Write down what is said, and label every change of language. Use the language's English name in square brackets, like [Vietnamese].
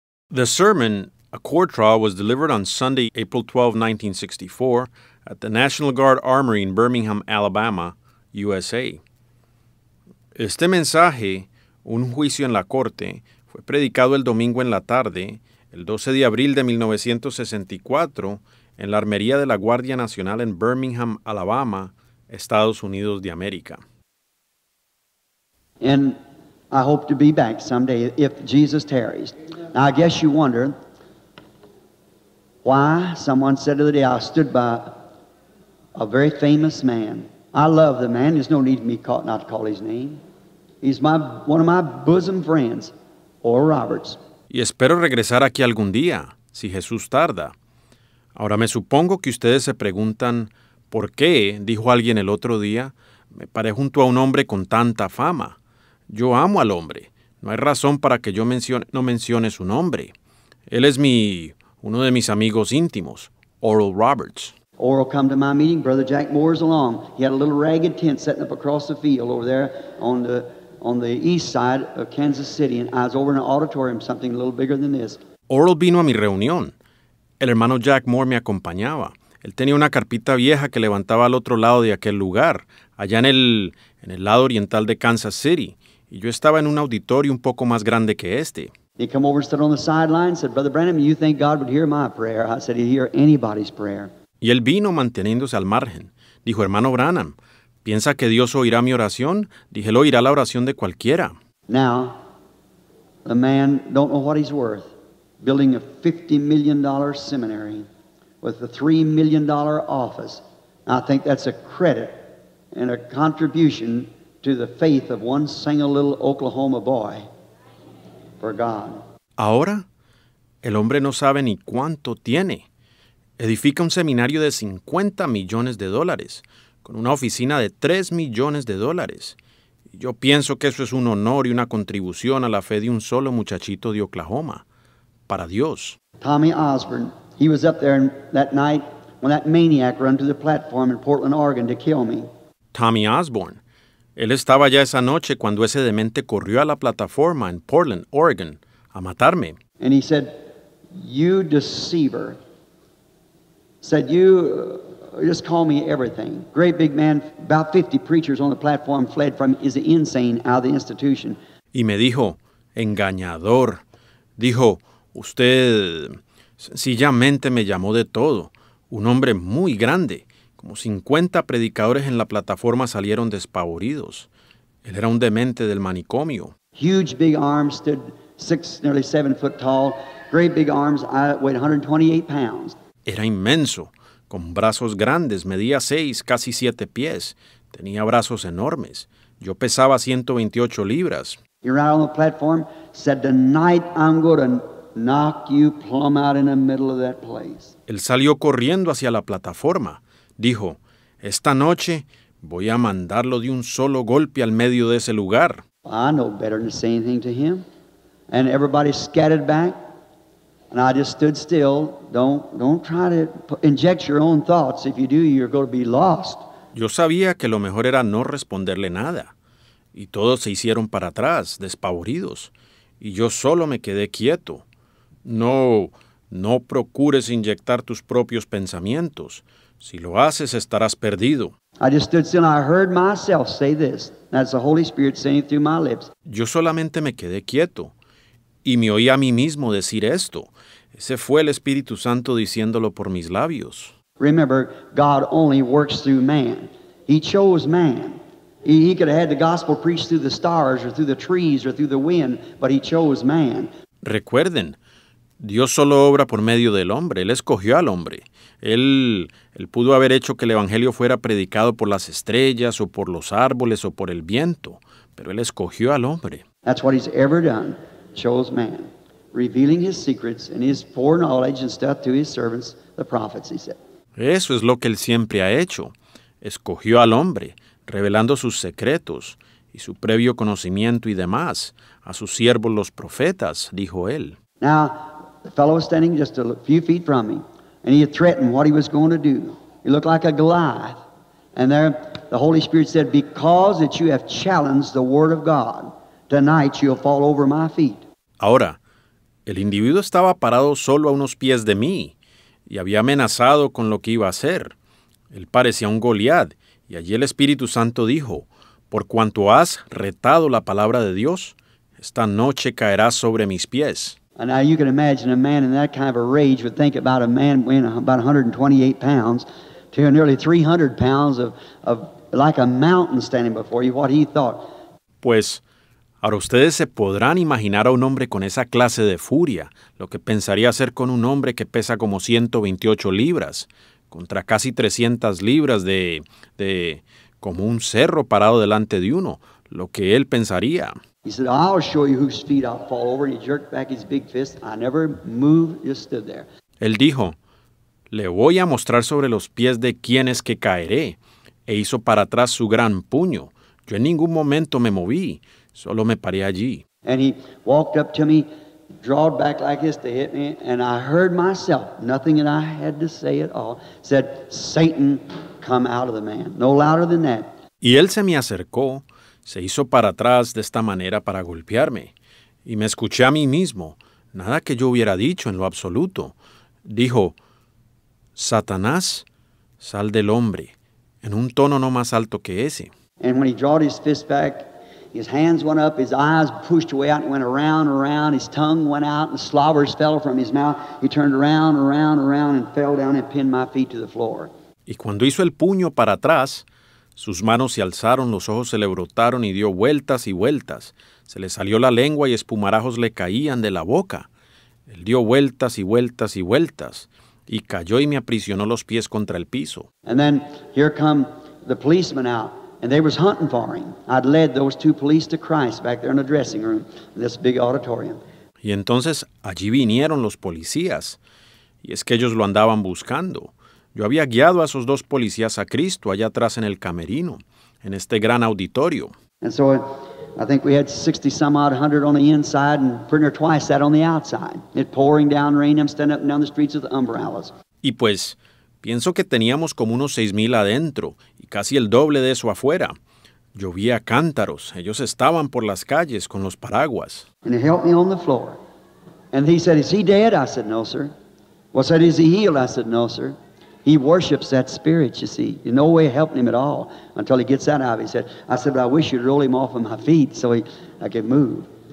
[English] The sermon, a court trial, was delivered on Sunday, April 12, 1964, at the National Guard Armory in Birmingham, Alabama, USA. [Spanish] Este mensaje, un juicio en la corte, fue predicado el domingo en la tarde, el 12 de abril de 1964, en la Armería de la Guardia Nacional en Birmingham, Alabama, Estados Unidos de América. [English] And I hope to be back someday if Jesus tarries. Now, I guess you wonder why someone said the other day, I stood by a very famous man. I love the man. There's no need for me not to call his name. He's one of my bosom friends, Oral Roberts. [Spanish] Y espero regresar aquí algún día, si Jesús tarda. Ahora me supongo que ustedes se preguntan, ¿por qué, dijo alguien el otro día, me paré junto a un hombre con tanta fama? Yo amo al hombre. No hay razón para que yo no mencione su nombre. Él es uno de mis amigos íntimos, Oral Roberts. [English] Oral come to my meeting, Brother Jack Moore's along. He had a little ragged tent setting up across the field over there on the east side of Kansas City, and I was over in an auditorium, something a little bigger than this. [Spanish] Oral vino a mi reunión. El hermano Jack Moore me acompañaba. Él tenía una carpita vieja que levantaba al otro lado de aquel lugar, allá en el lado oriental de Kansas City, y yo estaba en un auditorio un poco más grande que este. [English] He came over and stood on the sideline and said, Brother Branham, you think God would hear my prayer? I said, He'd hear anybody's prayer. [Spanish] Y él vino manteniéndose al margen. Dijo, hermano Branham, ¿piensa que Dios oirá mi oración? Dije, él oirá la oración de cualquiera. [English] Now, the man don't know what he's worth, building a $50 million seminary with a $3 million office. I think that's a credit and a contribution to the faith of one single little Oklahoma boy for God. [Spanish] Ahora, el hombre no sabe ni cuánto tiene. Edifica un seminario de 50 millones de dólares, con una oficina de 3 millones de dólares. Yo pienso que eso es un honor y una contribución a la fe de un solo muchachito de Oklahoma, para Dios. [English] Tommy Osborne, he was up there that night when that maniac ran to the platform in Portland, Oregon to kill me. [Spanish] Tommy Osborne, él estaba ya esa noche cuando ese demente corrió a la plataforma en Portland, Oregon, a matarme. [English] And he said, you deceiver. Said, you just call me everything. Great big man, about 50 preachers on the platform fled from, is insane, out of the institution. [Spanish] Y me dijo, engañador. Dijo, usted sencillamente me llamó de todo. Un hombre muy grande. Como 50 predicadores en la plataforma salieron despavoridos. Él era un demente del manicomio. [English] Huge big arms, stood nearly 7 foot tall. Great big arms, I weighed 128 pounds. [Spanish] Era inmenso, con brazos grandes, medía 6, casi 7 pies. Tenía brazos enormes. Yo pesaba 128 libras. [English] He ran on the platform, said, tonight I'm going to knock you plumb out in the middle of that place. [Spanish] Él salió corriendo hacia la plataforma. Dijo, esta noche voy a mandarlo de un solo golpe al medio de ese lugar. [English] I know better than to say anything to him. And everybody scattered back. And I just stood still. Don't try to inject your own thoughts. If you do, you're going to be lost. [Spanish] Yo sabía que lo mejor era no responderle nada. Y todos se hicieron para atrás, despavoridos. Y yo solo me quedé quieto. No procures inyectar tus propios pensamientos. Si lo haces, estarás perdido. [English] I just stood still. I heard myself say this. That's the Holy Spirit saying through my lips. [Spanish] Yo solamente me quedé quieto. Y me oí a mí mismo decir esto. Ese fue el Espíritu Santo diciéndolo por mis labios. [English] Remember, God only works through man. He chose man. He could have had the gospel preached through the stars or through the trees or through the wind, but he chose man. [Spanish] Recuerden, Dios solo obra por medio del hombre. Él escogió al hombre. Él pudo haber hecho que el Evangelio fuera predicado por las estrellas o por los árboles o por el viento, pero Él escogió al hombre. [English] That's what he's ever done. Chose man, revealing his secrets and his foreknowledge and stuff to his servants, the prophets, he said. [Spanish] Eso es lo que él siempre ha hecho. Escogió al hombre, revelando sus secretos y su previo conocimiento y demás, a sus siervos los profetas, dijo él. [English] Now, the fellow was standing just a few feet from me, and he had threatened what he was going to do. He looked like a Goliath. And there, the Holy Spirit said, because that you have challenged the word of God, tonight you'll fall over my feet. [Spanish] Ahora, El individuo estaba parado solo a unos pies de mí y había amenazado con lo que iba a hacer. Él parecía un Goliat, y allí el Espíritu Santo dijo, «Por cuanto has retado la palabra de Dios, esta noche caerá sobre mis pies». [English] Now you can imagine a man in that kind of a rage would think about a man weighing about 128 pounds to nearly 300 pounds of like a mountain standing before you, what he thought. [Spanish] Pues, ahora ustedes se podrán imaginar a un hombre con esa clase de furia, lo que pensaría hacer con un hombre que pesa como 128 libras, contra casi 300 libras de como un cerro parado delante de uno, lo que él pensaría. [English] He said, I'll show you whose feet I'll fall over. He jerked back his big fist. I never moved, just stood there. [Spanish] Él dijo, le voy a mostrar sobre los pies de quién es que caeré. E hizo para atrás su gran puño. Yo en ningún momento me moví, solo me paré allí. [English] And he walked up to me, drawed back like this to hit me, and I heard myself, nothing that I had to say at all, said, Satan, come out of the man. No louder than that. [Spanish] Y él se me acercó. Se hizo para atrás de esta manera para golpearme. Y me escuché a mí mismo. Nada que yo hubiera dicho en lo absoluto. Dijo, Satanás, sal del hombre. En un tono no más alto que ese. [English] And when he drew his fist back, his hands went up, his eyes pushed away out and went around and around. His tongue went out and slobbers fell from his mouth. He turned around and around and around and fell down and pinned my feet to the floor. [Spanish] Y cuando hizo el puño para atrás, sus manos se alzaron, los ojos se le brotaron y dio vueltas y vueltas. Se le salió la lengua y espumarajos le caían de la boca. Él dio vueltas y vueltas y vueltas. Y cayó y me aprisionó los pies contra el piso. [English] And then here come the policemen out. And they was hunting for him. I'd led those two police to Christ back there in the dressing room, in this big auditorium. [Spanish] Y entonces allí vinieron los policías. Y es que ellos lo andaban buscando. Yo había guiado a esos dos policías a Cristo allá atrás en el camerino, en este gran auditorio. [English] And so I think we had 60 some odd hundred on the inside and pretty near twice that on the outside. It pouring down rain, I'm standing up and down the streets with umbrellas. [Spanish] Y pues, pienso que teníamos como unos 6,000 adentro y casi el doble de eso afuera. Llovía cántaros, ellos estaban por las calles con los paraguas. [English] And he helped me on the floor. And he said, is he dead? I said, no, sir. Well, said, is he healed? I said, no, sir. He worships that spirit, you see. There's no way of helping him at all until he gets that out of his head. I said, but I wish you'd roll him off of my feet so I could move.